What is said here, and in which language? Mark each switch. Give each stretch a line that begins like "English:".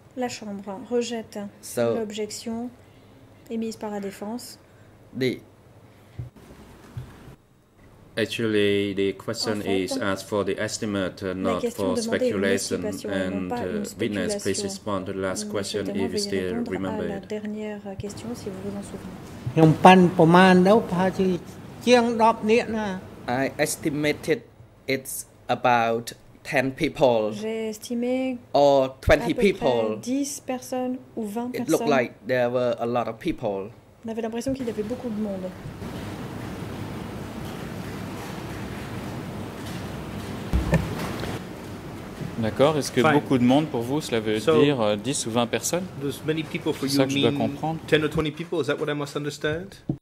French: La chambre rejette l'objection émise par la défense.
English: Actually, the question is asked for the estimate, not for speculation. And witness, please respond to the last question if you still remember it.
French: La dernière question, si vous vous en souvenez.
English: I estimated it's about 10 people.
French: J'ai estimé
English: or 20 people.
French: 10 personnes ou 20 personnes.
English: It looked like there were a lot of people.
French: On avait l'impression qu'il y avait beaucoup de monde. D'accord, est-ce que beaucoup de monde pour vous, cela veut dire 10 ou 20 personnes?
English: There's many people for you.
French: C'est ça que je dois comprendre.
English: 10 or 20 people, is that what I must understand?